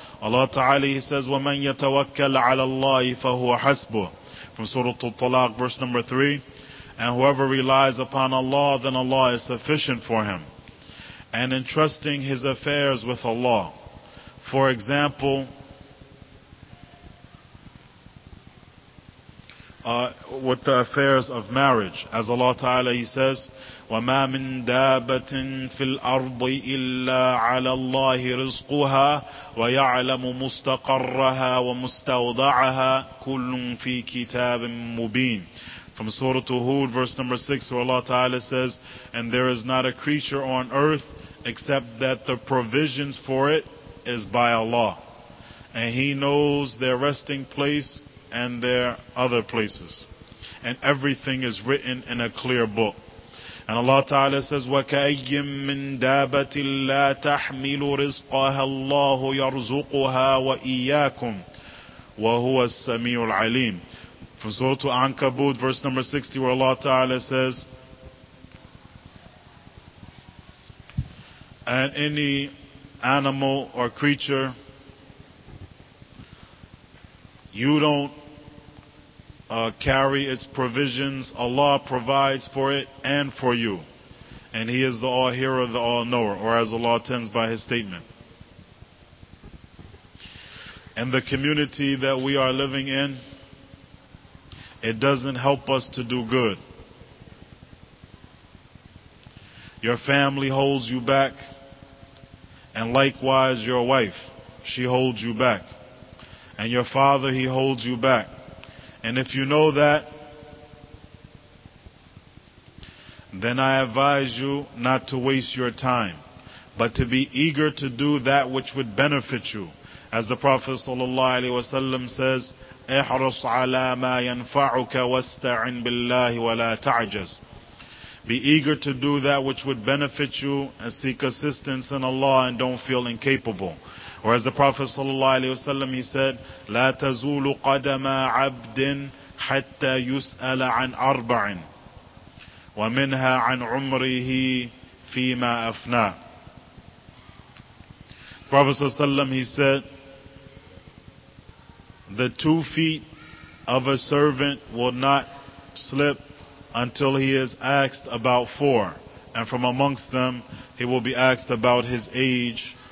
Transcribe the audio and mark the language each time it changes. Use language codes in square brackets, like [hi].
[en] Allah Ta'ala, He says, [ar] وَمَنْ يَتَوَكَّلْ عَلَى اللَّهِ فَهُوَ حَسْبُهُ. [en] From Surah At-Talaq, verse number 3. And whoever relies upon Allah, then Allah is sufficient for him. And entrusting his affairs with Allah. For example, with the affairs of marriage. As Allah Ta'ala, He says, [ar] وَمَا مِن دَابَةٍ فِي الْأَرْضِ إِلَّا عَلَى اللَّهِ رِزْقُهَا وَيَعْلَمُ مُسْتَقَرَّهَا وَمُسْتَوْضَعَهَا كُلٌّ فِي كِتَابٍ مُبِينٍ. [en] From Surah Hud, verse number 6, where Allah Ta'ala says, and there is not a creature on earth except that the provisions for it is by Allah. And He knows their resting place and their other places. And everything is written in a clear book. And Allah Ta'ala says, [ar] وَكَأَيِّمْ مِنْ دَابَةٍ لَا تَحْمِلُ رِزْقَهَا اللَّهُ يَرْزُقُهَا وَإِيَّاكُمْ وَهُوَ السَّمِيعُ الْعَلِيمُ. [en] From Surah Al-Ankabut, verse number 60, where Allah Ta'ala says, and any animal or creature you don't carry its provisions, Allah provides for it and for you. And He is the all-hearer, the all-knower, or as Allah tends by His statement. And the community that we are living in, it doesn't help us to do good. Your family holds you back, and likewise your wife, she holds you back. And your father, he holds you back. And if you know that, then I advise you not to waste your time, but to be eager to do that which would benefit you. As the Prophet sallallahu alaihi wasallam says, [ar] احرص على ما ينفعك واستعن بالله ولا تعجز. [en] Be eager to do that which would benefit you and seek assistance in Allah and don't feel incapable. Or as the Prophet sallallahu alaihi wasallam, he said, [ar] لا تزول قدم عبد حتى يسأل عن أربع ومنها عن عمره فيما أفنى. [en] Prophet sallallahu alaihi wasallam, he said, the 2 feet of a servant will not slip until he is asked about 4. And from amongst them, he will be asked about his age.